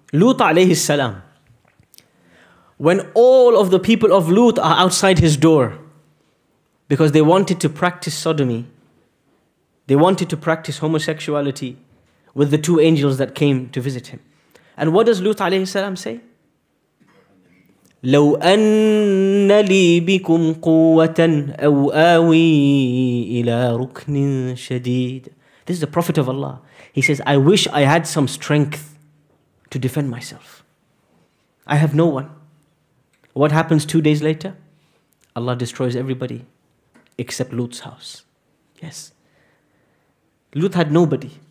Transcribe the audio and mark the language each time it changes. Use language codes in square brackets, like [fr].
[en] Lut alayhi salam. When all of the people of Lut are outside his door because they wanted to practice sodomy, they wanted to practice homosexuality with the two angels that came to visit him. And what does Lut alayhi salam say? [ar] لو أن لي بكم قوة أو آوي إلى ركن شديد. [en] This is the Prophet of Allah. He says, I wish I had some strength to defend myself. I have no one. What happens 2 days later? Allah destroys everybody except Lut's house. Yes. Lut had nobody.